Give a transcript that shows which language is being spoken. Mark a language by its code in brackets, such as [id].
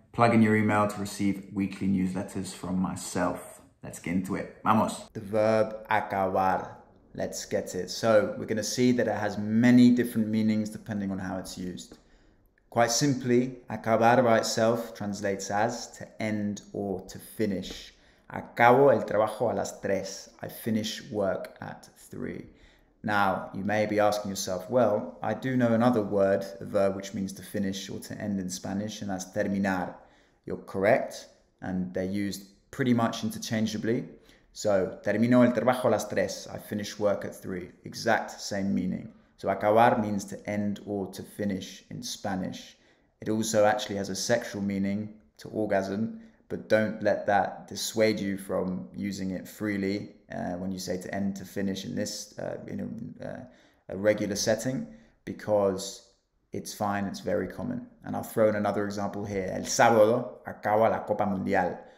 [en] Plug in your email to receive weekly newsletters from myself. Let's get into it. [es] Vamos. [en] The verb acabar. Let's get it. So we're going to see that it has many different meanings depending on how it's used. Quite simply, acabar by itself translates as to end or to finish. [es] Acabo el trabajo a las tres. [en] I finish work at 3. Now, you may be asking yourself, well, I do know another word, a verb which means to finish or to end in Spanish, and that's terminar. You're correct, and they're used pretty much interchangeably. [es] So, termino el trabajo a las tres. [en] I finish work at 3. Exact same meaning. So, acabar means to end or to finish in Spanish. It also actually has a sexual meaning, to orgasm, but don't let that dissuade you from using it freely when you say to end, to finish in this, a regular setting, because it's fine, it's very common. And I'll throw in another example here. [es] El sábado acaba la Copa Mundial.